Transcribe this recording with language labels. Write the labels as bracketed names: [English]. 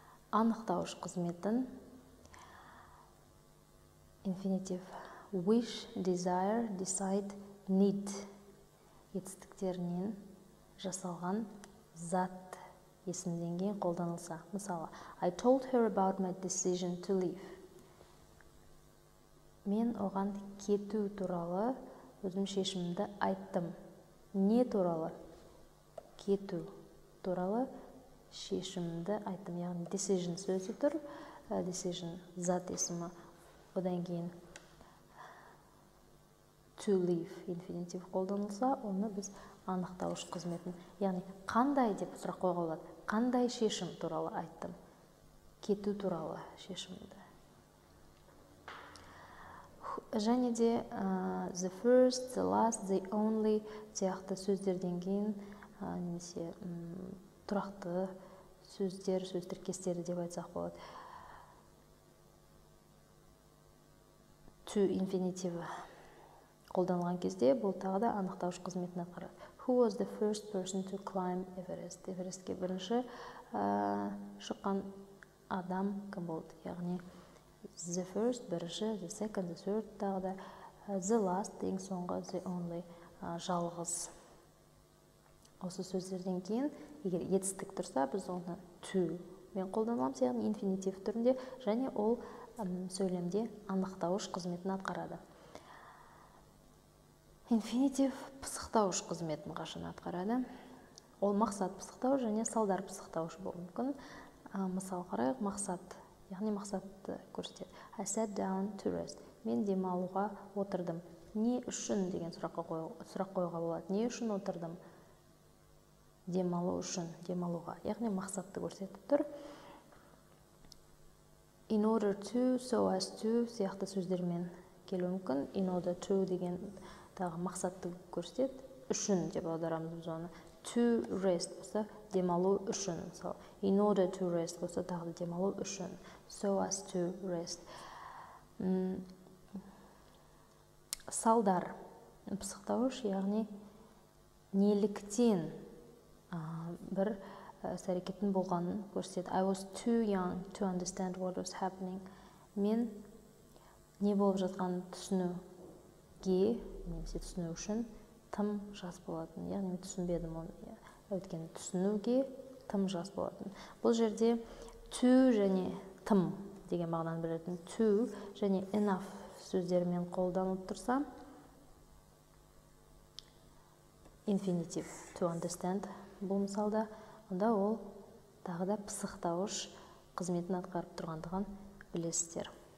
[Kazakh] Анықтауыш қызметін инфинитив wish, desire, decide, need етістіктерінен жасалған зат есімденген қолданылса. Мысалы, [English] I told her about my decision to leave. [Kazakh] Мен оған кету туралы өзім шешімімді айттым. Не туралы? Кету туралы шешімімді айттым. Яғни decision сөзі тұр. Decision зат есімі. Одан кейін to leave инфинитив қолданылса, оны біз анықтауыш қызметін. Яғни, қандай деп сұрақ қойға болады. Қандай шешім туралы айттым? Кету туралы шешімді. Және де, the first, the last, the only сияқты сөздерден кейін, немесе, тұрақты сөздер, сөз тіркестері деп айтсақ болады. To инфинитивы қолданылған кезде, бұл тағы да анықтауыш қызметіне қарай. [English] Who was the first person to climb Everest? [Kazakh] Эверестке бірінші шыққан адам кім болды? Яғни, the first, бірінші, the second, the third, тағы да, the last, ең соңғы, the only, жалғыз. Осы сөздерден кейін, егер етістік тұрса, біз оны to мен қолданыламыз, яғни инфинитив түрінде, және ол сөйлемде анықтауыш қызметін атқарады. Инфинитив пысықтауыш қызметін қашан атқарады. Ол мақсат пысықтауыш және салдар пысықтауыш болуы мүмкін. Мысал қарайық, мақсат, яғни мақсатты көрсетеді. [English] I sat down to rest. [Kazakh] Мен демалуға отырдым. Не үшін деген сұрақ қойға болады. Не үшін отырдым? Демалу үшін, демалуға. Яғни мақсатты көрсетіп тұр. In order to, so as to сияқты сөздермен келуі мүмкін. In order to деген тағы мақсатты көрсетеді. Үшін деп аударамыз біз оны. To rest болса демалу үшін. So, in order to rest болса тағы демалу үшін. [English] So as to rest. [Kazakh] Салдар. Пысықтауыш, яғни неліктен бір әрекеттің болғанын көрсетеді. [English] I was too young to understand what was happening. [Kazakh] Мен не болып жатқанын түсінуге, немесе түсіну үшін тым жас болатын. Яғни мен түсінбедім оны. Өйткені түсінуге тым жас болатын. Бұл жерде too және тым деген мағынаны білдіретін too және enough сөздерімен қолданылып тұрса, infinitive to understand бұл мысалда, онда ол тағы да пысықтауыш қызметін атқарып тұрғандығын білесіздер.